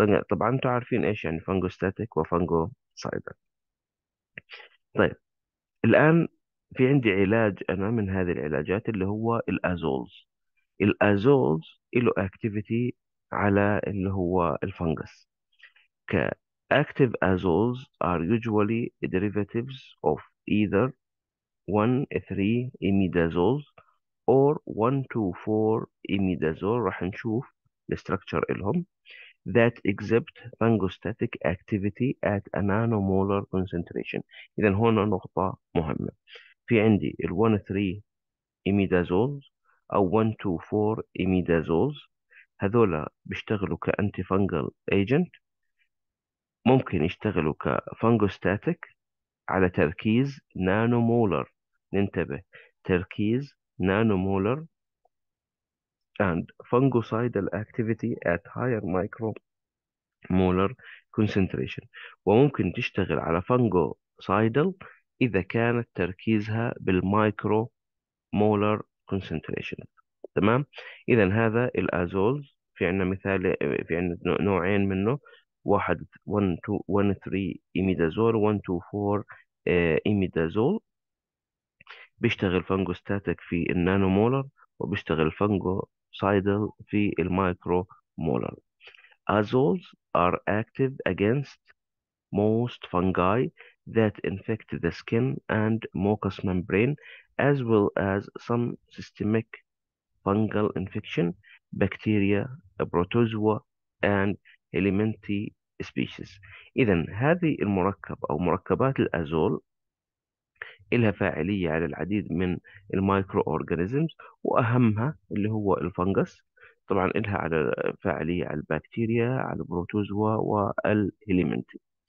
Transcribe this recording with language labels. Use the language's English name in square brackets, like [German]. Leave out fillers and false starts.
[Arabic] طبعا انتوا عارفين إيش يعني فانجوستاتيك وفانجوسايدل. طيب الآن في عندي علاج أنا من هذه العلاجات اللي هو الأزولز. الأزولز له أكتيفيتي على اللي هو الفنجس. كأكتيف أزولز [English] are usually derivatives of either 1,3-imidazoles or 1,2,4-imidazole. [Arabic] راح نشوف الـ [English] structure [Arabic] إلهم [English] that exhibit fungostatic activity at a nanomolar concentration. [Arabic] إذا هنا نقطة مهمة، في عندي الـ 1,3-imidazoles أو 1,2,4-imidazoles، هذول بيشتغلوا كأنتيفانجل agent، ممكن يشتغلوا كفانجوستاتيك على تركيز نانومولر. ننتبه تركيز نانومولر [English] and fungicidal activity at higher micromolar concentration. [Arabic] وممكن تشتغل على fungicidal إذا كانت تركيزها بالمايكرو مولر concentration. تمام؟ إذا هذا الأزولز في عندنا مثال، في عندنا نوعين منه، واحد 1,3-imidazole 1,2,4-imidazole، بيشتغل فانجوستاتيك في النانو مولر وبيشتغل فانجو سايدل في المايكرو مولر. [English] Azoles are active against most fungi that infect the skin and mucous membrane as well as some systemic fungal infection, bacteria, protozoa and helminthi species. [Arabic] إذا هذه المركب أو مركبات الأزول إلها فاعلية على العديد من المايكرو أورجانيزمز، وأهمها اللي هو الفنجس. طبعا إلها على فاعلية على البكتيريا، على البروتوزوا والهيليمنتي.